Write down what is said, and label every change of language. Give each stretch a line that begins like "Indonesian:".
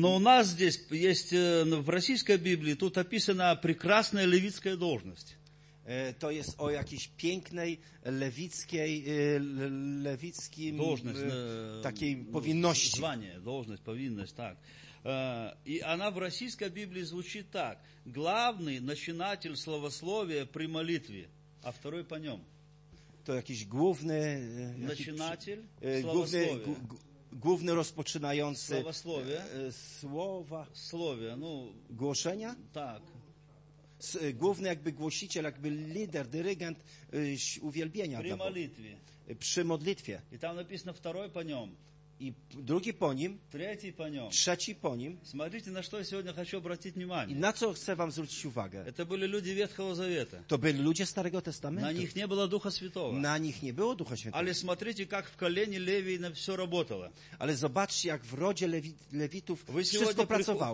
Polish: No u nas
Russian: здесь есть
Polish: w rosyjskiej Biblii tu opisana piękna lewicka должность. To jest o jakiejś pięknej lewickiej, lewickim
Russian: должność,
Polish: takiej powinności. Zwanie, должность, powinność, tak. I ona w rosyjskiej Biblii brzmi tak.
Russian: Główny начинатель словословия при молитве, a второй по нём.
Polish: To jakiś główny...
Russian: Начинатель словословия.
Polish: Główny rozpoczynający...
Russian: Словословие.
Polish: Słowa. Słowie, no... Głoszenia? Tak. Główny jakby głosiciel, jakby lider, dyrygent uwielbienia. Przy modlitwie. Przy modlitwie. I tam napisano второй po nim. I drugi po nim. Trzeci po nim. Trzeci po nim.
Russian: Смотрите, на что я сегодня хочу обратить внимание.
Polish: I na co chcę wam zwrócić uwagę.
Russian: Это были люди Ветхого Завета.
Polish: To byli ludzie Starego Testamentu.
Russian: На них не было Духа Святого.
Polish: Na nich nie było Ducha Świętego.
Russian: Ale смотрите, как в колене Левии все работало.
Polish: Ale zobaczcie, jak w rodzie Lewitów wszystko pracowało.